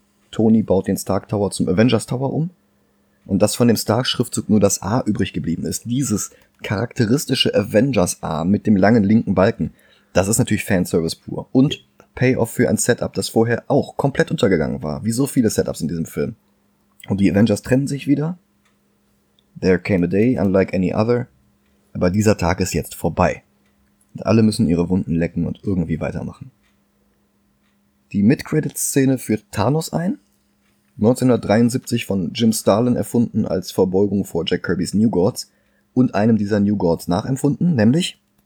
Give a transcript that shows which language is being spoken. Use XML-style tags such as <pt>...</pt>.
<de>Tony baut den Stark Tower zum Avengers Tower um. Und dass von dem Stark-Schriftzug nur das A übrig geblieben ist. Dieses charakteristische Avengers-A mit dem langen linken Balken. Das ist natürlich Fanservice pur. Und Payoff für ein Setup, das vorher auch komplett untergegangen war. Wie so viele Setups in diesem Film. Und die Avengers trennen sich wieder.</de> <en>There came a day, unlike any other.</en> <de>Aber dieser Tag ist jetzt vorbei. Und alle müssen ihre Wunden lecken und irgendwie weitermachen. Die Mid-Credits-Szene führt Thanos ein. 1973 von Jim Starlin erfunden als Verbeugung vor Jack Kirby's New Gods. Und einem dieser New Gods nachempfunden, nämlich...</de>